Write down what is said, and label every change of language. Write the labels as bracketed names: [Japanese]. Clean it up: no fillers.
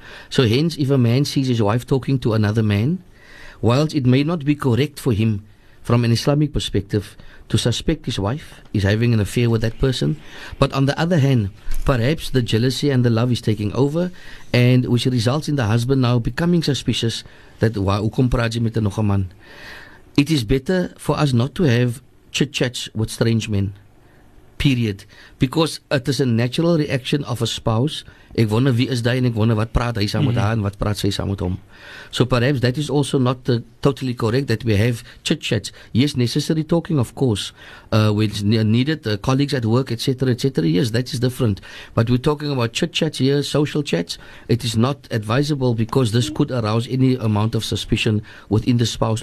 [English] So hence, if a man sees his wife talking to another man, whilst it may not be correct for him from an Islamic perspective to suspect his wife is having an affair with that person, but on the other hand, perhaps the jealousy and the love is taking over, and which results in the husband now becoming suspicious that wa ukum praji mit nogaman. It is better for us not to have chit-chats with strange men, period, because it is a natural reaction of a spouse. [Afrikaans] Ek wonder wie is die en ek wonder wat praat hy saam met haar en wat praat sy saam met hom. [English] So perhaps that is also not totally correct that we have chit-chats. Yes, necessary talking, of course, which needed, colleagues at work, etc., etc. Yes, that is different. But we're talking about chit-chats here, social chats. It is not advisable because this could arouse any amount of suspicion within the spouse.